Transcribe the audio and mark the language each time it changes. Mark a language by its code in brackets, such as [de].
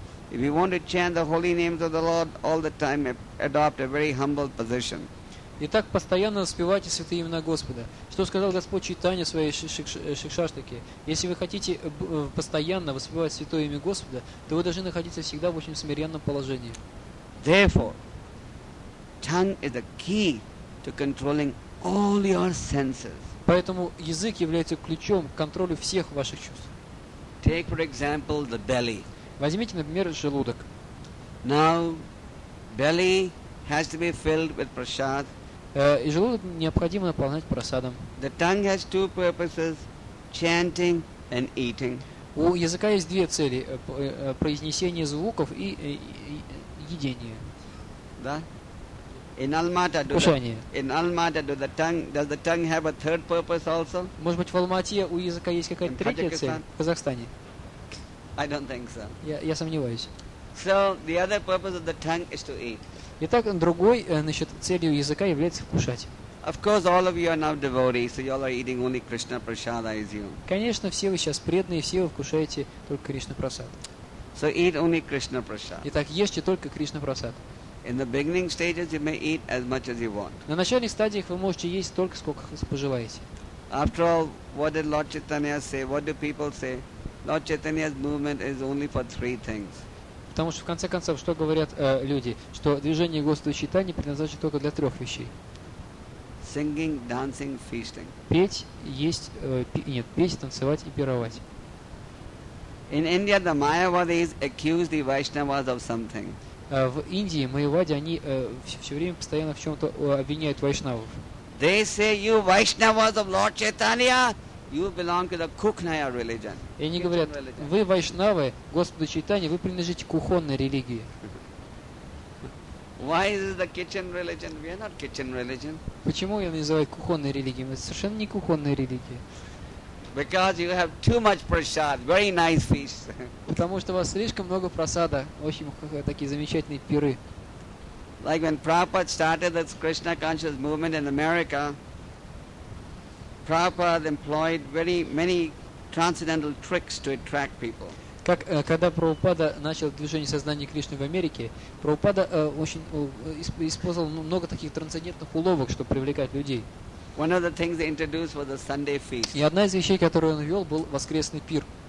[en] If you want to chant the holy names of the Lord all the time, adopt a very humble position. [ru] Итак, постоянно воспевайте святые имена Господа. Что сказал Господь Чайтанья в своей Шикшаштаке? Если вы хотите постоянно воспевать святое имя Господа, то вы должны находиться всегда в очень смиренном положении. [en] Therefore, tongue is the key to controlling all your senses. [ru] Поэтому язык является ключом к контролю всех ваших чувств. [en] Take, for example, the belly. [ru] Возьмите, например, желудок. [en] Now, Belly has to be filled with prasad. [ru] И желудок необходимо наполнять прасадом. [en] The tongue has two purposes: chanting and eating. [ru] У языка есть две цели: произнесение звуков и едение. Да? [en] In Almaty, does the tongue have a third purpose also? [ru] Может быть, в Алмате у языка есть какая-то третья цель? В Казахстане? [en] I don't think so. [ru] Я сомневаюсь. [en] So the other purpose of the tongue is to eat. [ru] Итак, другой, значит, целью языка является кушать. [en] Of course, all of you are now devotees, so you all are eating only Krishna prasada, as you. [ru] Конечно, все вы сейчас преданные, все вы кушаете только Кришна прасад. [en] So eat only Krishna prasada. [ru] Итак, ешьте только Кришна прасад. [en] In the beginning stages, you may eat as much as you want. [ru] На начальных стадиях вы можете есть столько, сколько пожелаете. [en] After all, what did Lord Chaitanya say? What do people say? Lord Chaitanya's movement is only for three things. [ru] Потому что в конце концов, что говорят люди, что движение Господа Чайтаньи предназначено только для трех вещей: [en] singing, dancing, feasting. [ru] Петь, есть, петь, танцевать и пировать. [en] In India, the Mayavadis accuse the Vaishnavas of something. [ru] В Индии майявади они все время постоянно в чем-то обвиняют вайшнавов. [en] They say you Vaishnavas of Lord Chaitanya, you belong to the Kukhnaya religion. [ru] И они говорят, вы вайшнавы Господа Чайтаньи, вы принадлежите кухонной религии. [en] Why is the kitchen religion? We are not kitchen religion. [ru] Почему ее называют кухонной религией? Мы совершенно не кухонная религия. [en] Because you have too much prasad, very nice feast. [ru] Потому что у вас слишком много просада, очень такие замечательные пиры. [en] Like when Prabhupada started this Krishna conscious movement in America, Prabhupada employed very many transcendental tricks to attract people. [ru] Как когда Прабхупада начал движение сознания Кришны в Америке, Прабхупада использовал много таких трансцендентных уловок, чтобы привлекать людей. [en] One of the things they introduced was the Sunday feast. [ru] И одна из вещей, которую он ввел, был воскресный пир.